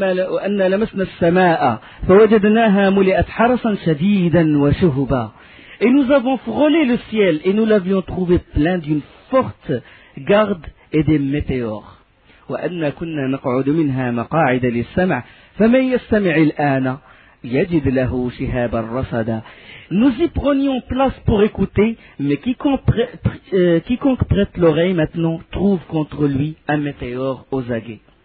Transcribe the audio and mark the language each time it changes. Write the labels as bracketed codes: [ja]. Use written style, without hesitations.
[ar] وأن لمسنا السماء فوجدناها ملئت حرسا شديدا وشهبا. [fr] Et nous avons frôlé le ciel et nous l'avions trouvé plein d'une forte garde et des météores. [ar] وأن كنا نقعد منها مقاعد للسمع فمن يستمع الآن يجد له شهابا رصدا. [fr] Nous y prenions place pour écouter, mais quiconque prête l'oreille maintenant trouve contre lui un météore aux aguets.